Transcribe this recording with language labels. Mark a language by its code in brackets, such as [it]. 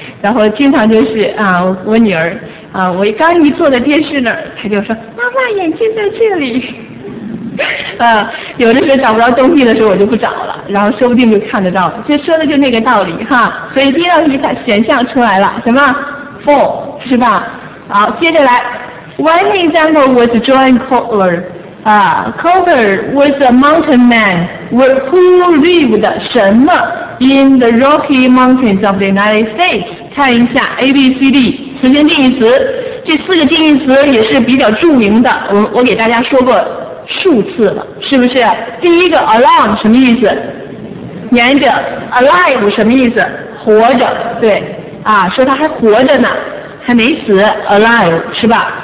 [zh] 然后经常就是我女儿啊，我刚一坐在电视那儿，她就说：“妈妈，眼镜在这里。” 有的时候找不着东西的时候我就不找了，然后说不定就看得到了，这说的就那个道理哈。所以第二题它选项出来了，什么 ？For 是吧？好，接着来 [en] ，One example was John Cover。 Cover was a mountain man who lived 什么 in the Rocky Mountains of the United States。 [zh] 看一下 A B C D 词性定义词，这四个定义词也是比较著名的，我给大家说过。数次了，是不是？第一个 along 什么意思？沿着。 alive 什么意思？活着，对，说他还活着呢，还没死， alive 是吧？